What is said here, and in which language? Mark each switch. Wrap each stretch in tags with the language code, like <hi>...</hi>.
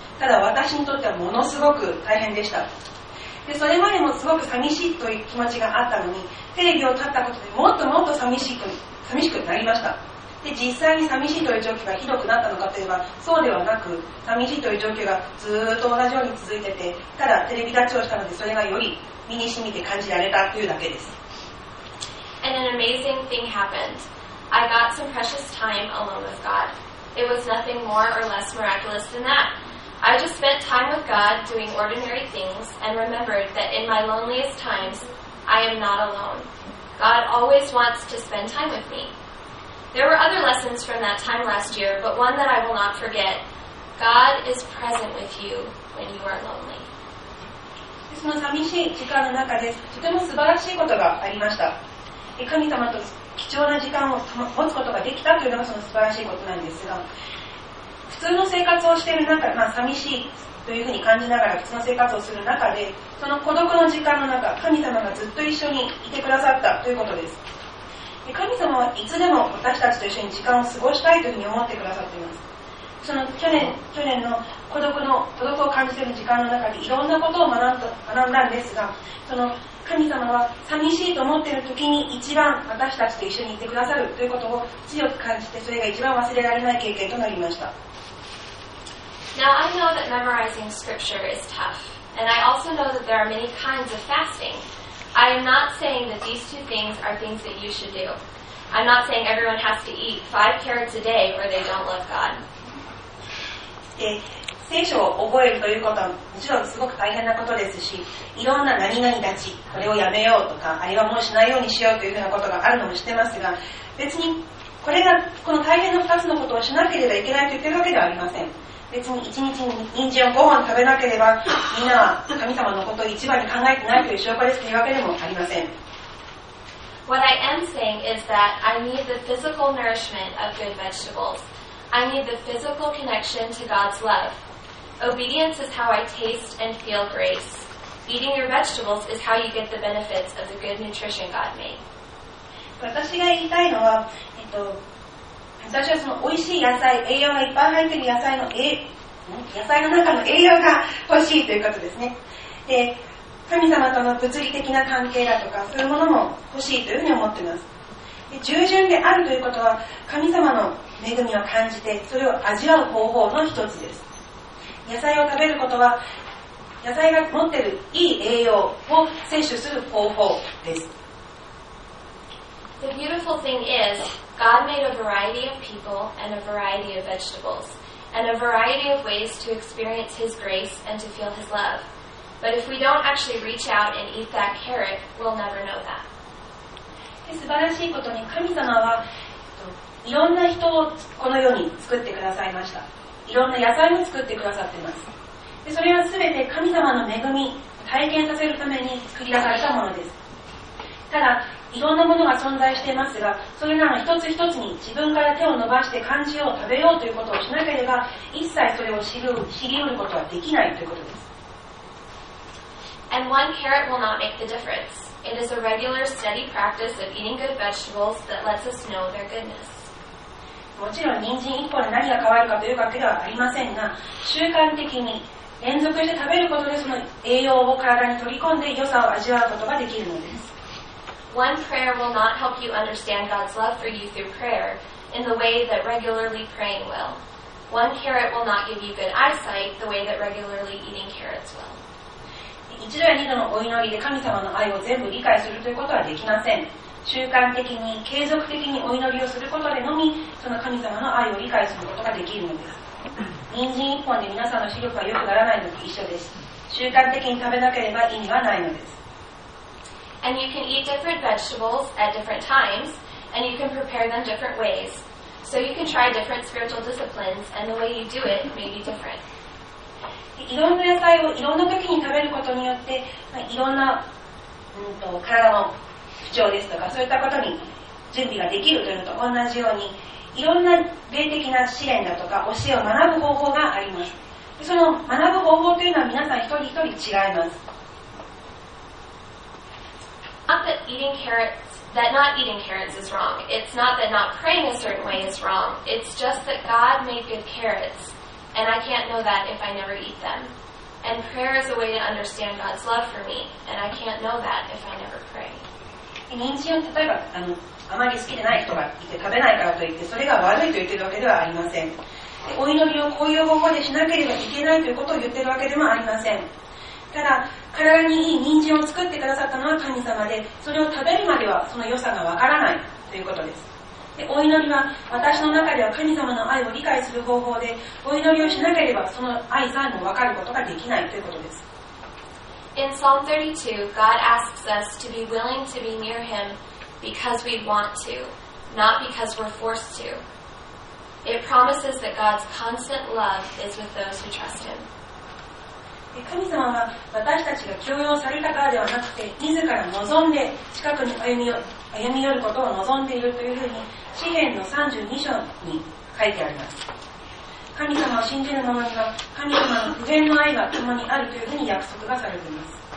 <ja>ただ私にとってはものすごく大変でした。で、それまでもすごく寂しいという気持ちがあったのに、テレビを立ったことでもっともっと寂しくなりました。で、実際に寂しいという状況がひどくなったのかといえば、そうではなく、寂しいという状況がずっと同じように続いてて、ただテレビ立ちをしたので、それがより身に染みて感じられたというだけです。</ja> <en>And an amazing thing happened. I got some precious time alone with God. It was nothing more or less miraculous than that. I just spent time with God doing ordinary things and remembered that in my loneliest times, I am not alone. God always wants to spend time with me. There were other lessons from that time last year, but one that I will not forget. God is present with you when you are lonely.</en> <ja>その寂しい時間の中で、とても素晴らしいことがありました。神様と貴重な時間を持つことができたというのがその素晴らしいことなんですが、普通の生活をしている中で、寂しいというふうに感じながら普通の生活をする中で、その孤独の時間の中、神様がずっと一緒にいてくださったということです。で、神様はいつでも私たちと一緒に時間を過ごしたいというふうに思ってくださっています。その去年の孤独を感じている時間の中でいろんなことを学んだんですが、その神様は寂しいと思っている時に一番私たちと一緒にいてくださるということを強く感じて、それが一番忘れられない経験となりました。</ja> <en>Now, I know that memorizing scripture is tough, and I also know that there are many kinds of fasting. I am not saying that these two things are things that you should do. I'm not saying everyone has to eat 5 carrots a day or they don't love God.</en> <ja>聖書を覚えるということはもちろんすごく大変なことですし、いろんな何々たち、これをやめようとか、あれはもうしないようにしようというふうなことがあるのも知ってますが、別にこれがこの大変な2つのことをしなければいけないと言っているわけではありません。別に1日に人参を5本食べなければ、みんなは神様のことを一番に考えてないという証拠ですというわけでもありません。</ja> <en>What I am saying is that I need the physical nourishment of good vegetables. I need the physical connection to God's love. Obedience is how I taste and feel grace. Eating your vegetables is how you get the benefits of the good nutrition God made.</en> <ja>私が言いたいのは、私はその美味しい野菜、栄養がいっぱい入っている野菜の野菜の中の栄養が欲しいということですね。で、神様との物理的な関係だとか、そういうものも欲しいというふうに思っています。で、従順であるということは、神様の恵みを感じて、それを味わう方法の一つです。野菜を食べることは野菜が持っているいい栄養を摂取する方法です。</ja> <en>The beautiful thing is, God made a variety of people and a variety of vegetables and a variety of ways to experience His grace and to feel His love. But if we don't actually reach out and eat that carrot, we'll never know that.</en> <ja>素晴らしいことに神様はいろんな人をこの世に作ってくださいました。いろんな野菜を作ってくださっています。で、それはすべて神様の恵み、体験させるために作り出されたものです。ただ、いろんなものが存在していますが、それらの一つ一つに自分から手を伸ばして感じよう、食べようということをしなければ、一切それを知り得ることはできないということです。</ja> <en>And one carrot will not make the difference. It is a regular, steady practice of eating good vegetables that lets us know their goodness.</en> <ja>もちろん人参一本で何が変わるかというわけではありませんが、習慣的に連続して食べることでその栄養を体に取り込んで良さを味わうことができるのです。</ja> <en>One prayer will not help you understand God's love for you through prayer in the way that regularly praying will. One carrot will not give you good eyesight the way that regularly eating carrots will.</en> <ja>一度や二度のお祈りで神様の愛を全部理解するということはできません。習慣的に継続的にお祈りをすることでのみその神様の愛を理解することができるのです。人参一本で皆さんの視力が良くならないのと一緒です。習慣的に食べなければ意味はないのです。</ja> <en>And you can eat different vegetables at different times and you can prepare them different ways. So you can try different spiritual disciplines and the way you do it may be different.</en> <ja>いろんな野菜をいろんな時に食べることによって、まあ、いろんな、体の不調ですとかそういったことに準備ができるというのと同じようにいろんな霊的な試練だとか教えを学ぶ方法があります。その学ぶ方法というのは皆さん一人一人違います。</ja> <en>Not that eating carrots, that not eating carrots is wrong. It's not that not praying a certain way is wrong. It's just that God made good carrots and I can't know that if I never eat them. And prayer is a way to understand God's love for me and I can't know that if I never pray.</en> <ja>人参を例えば あまり好きでない人がいて食べないからといってそれが悪いと言っているわけではありません。でお祈りをこういう方法でしなければいけないということを言っているわけでもありません。ただ体にいい人参を作ってくださったのは神様でそれを食べるまではその良さがわからないということです。でお祈りは私の中では神様の愛を理解する方法でお祈りをしなければその愛さえもわかることができないということです。</ja> <en>In Psalm 32, God asks us to be willing to be near Him because we want to, not because we're forced to. It promises that God's constant love is with those who trust Him.</en> <ja>神様は私たちが強要されたからではなくて、自ら望んで近くに歩み寄ることを望んでいるというふうに、詩編の32章に書いてあります。神様を信じる者には神様の不変の愛が共にあるというふうに約束がされています。</ja>